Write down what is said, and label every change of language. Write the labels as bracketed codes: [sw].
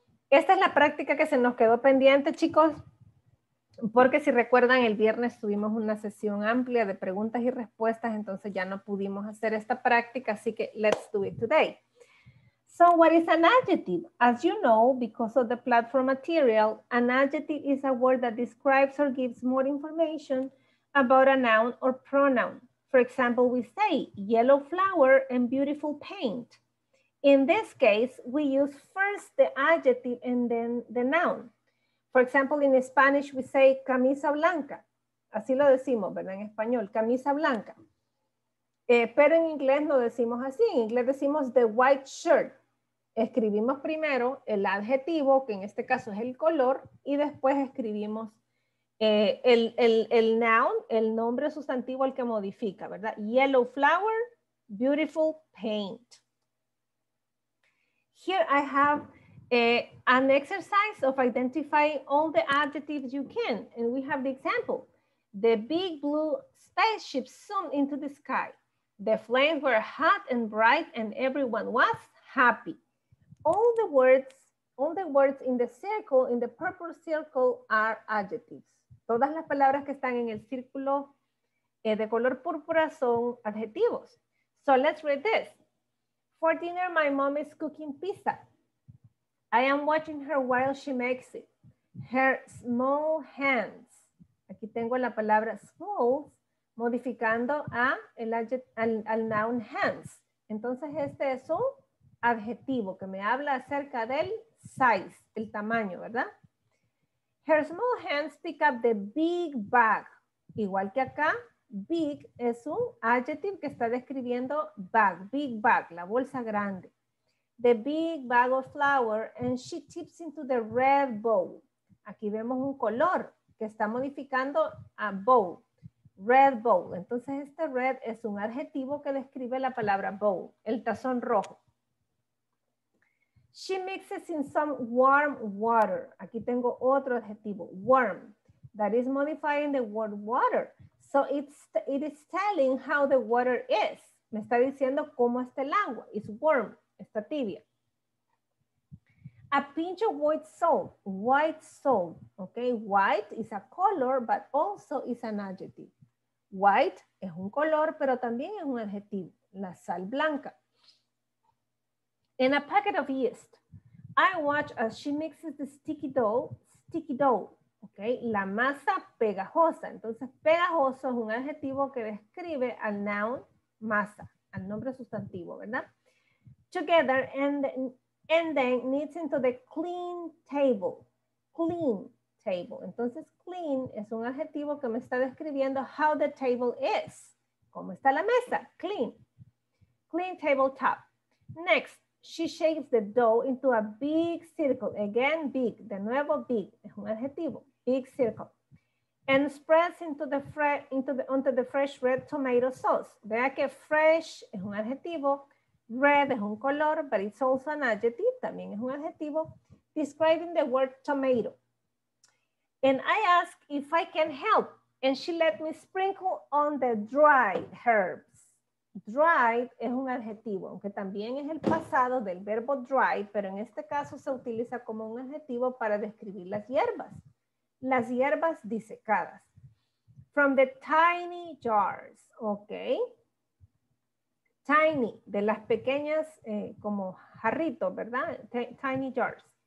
[es] Esta es la práctica que se nos quedó pendiente, chicos. Porque si recuerdan, el viernes tuvimos una sesión amplia de preguntas y respuestas, entonces ya no pudimos hacer esta práctica, así que [en] let's do it today. So what is an adjective? As you know, because of the platform material, an adjective is a word that describes or gives more information about a noun or pronoun. For example, we say yellow flower and beautiful paint. In this case, we use first the adjective and then the noun. For example, in Spanish, we say [es] camisa blanca. Así lo decimos, ¿verdad? En español, camisa blanca. Pero en inglés no decimos así. En inglés decimos [en] the white shirt. [es] Escribimos primero el adjetivo, que en este caso es el color, y después escribimos el noun, el nombre sustantivo al que modifica, ¿verdad? [en] Yellow flower, beautiful paint. Here I have an exercise of identifying all the adjectives you can. And we have the example. The big blue spaceship zoomed into the sky. The flames were hot and bright and everyone was happy. All the words in the circle, in the purple circle, are adjectives. [es] Todas las palabras que están en el círculo de color púrpura son adjetivos. [en] So let's read this. For dinner, my mom is cooking pizza. I am watching her while she makes it. Her small hands. [es] Aquí tengo la palabra small, modificando a al noun hands. Entonces este es un adjetivo que me habla acerca del size, el tamaño, ¿verdad? [en] Her small hands pick up the big bag. [es] Igual que acá, big es un adjective que está describiendo bag, big bag, la bolsa grande. [en] The big bag of flour and she tips into the red bowl. [es] Aquí vemos un color que está modificando a bowl, red bowl. Entonces este red es un adjetivo que describe la palabra bowl, el tazón rojo. [en] She mixes in some warm water. [es] Aquí tengo otro adjetivo, [en] warm. That is modifying the word water. So it is telling how the water is. [es] Me está diciendo cómo está el agua. [en] It's warm, [es] está tibia. [en] A pinch of white salt. White salt. Okay. White is a color, but also is an adjective. [es] White es un color, pero también es un adjetivo. La sal blanca. [en] In a packet of yeast, I watch as she mixes the sticky dough. Sticky dough. Okay. [es] La masa pegajosa. Entonces, pegajoso es un adjetivo que describe a noun, masa, al nombre sustantivo, ¿verdad? [en] Together and then knits into the clean table. [es] Clean table. Entonces, clean es un adjetivo que me está describiendo [en] how the table is. [es] ¿Cómo está la mesa? [en] Clean. Clean table top. Next, she shapes the dough into a big circle. Again, big. [es] De nuevo, [en] big. [es] Es un adjetivo. [en] Big circle. And spreads onto the fresh red tomato sauce. [es] Vea que fresh es un adjetivo. Red es un color, [en] but it's also an adjective, [es] también es un adjetivo, [en] describing the word tomato. And I ask if I can help, and she let me sprinkle on the dried herbs. [es] Dried es un adjetivo, aunque también es el pasado del verbo dry, pero en este caso se utiliza como un adjetivo para describir las hierbas disecadas. [en] From the tiny jars, okay? Tiny, [es] de las pequeñas, como jarritos, ¿verdad? [en] Tiny jars.